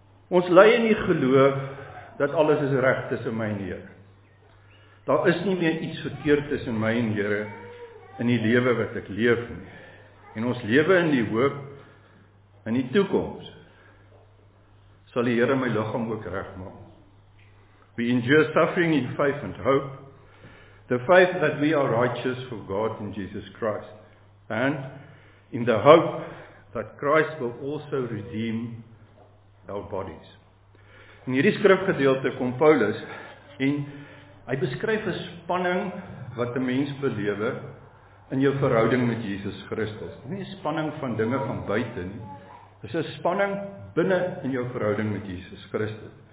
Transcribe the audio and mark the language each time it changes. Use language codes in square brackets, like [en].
[af] Ons ly in die geloof dat alles is reg tussen my en die Here. Daar is nie meer iets verkeerd tussen my en die Here in die lewe wat ek leef nie. En ons lewe in die hoop In die toekoms sal die Here my liggaam ook regmaak. [en] We endure suffering in faith and hope, the faith that we are righteous for God in Jesus Christ, and in the hope that Christ will also redeem our bodies. [af] In hierdie skrifgedeelte kom Paulus en hy beskryf 'n spanning wat 'n mens belewe in jou verhouding met Jesus Christus. Nie 'n spanning van dinge van buite nie. Dis 'n spanning binne in jou verhouding met Jesus Christus.